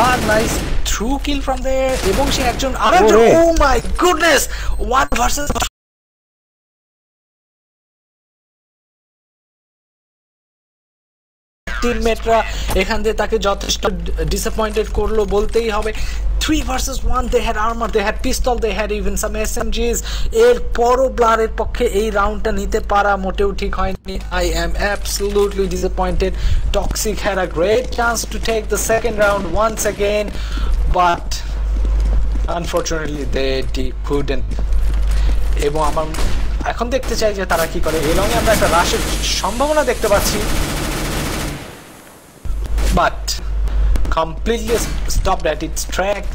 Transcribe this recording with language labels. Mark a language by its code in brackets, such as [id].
[en] nice through kill from the, [bn] এবং সে একজন আরেকজন, [en] oh my goodness, one versus [bn] টিমমেটরা এখান দিয়ে তাকে যথেষ্ট ডিসঅ্যাপয়েন্টেড করলো বলতেই হবে। [en] 3 versus 1, they had armor, they had pistol, they had even some SMGs. [bn] এর পরও ব্লারের পক্ষে এই রাউন্ডটা নিতে পারা মোটেও ঠিক হয়নি। [en] I am absolutely disappointed. Toxic had a great chance to take the second round once again, but unfortunately they couldn't. [bn] এবং আমার এখন দেখতে চাই যে তারা কি করে। এলঙ্গে আমরা একটা রাশের সম্ভাবনা দেখতে পাচ্ছি, [en] But completely stop that its track.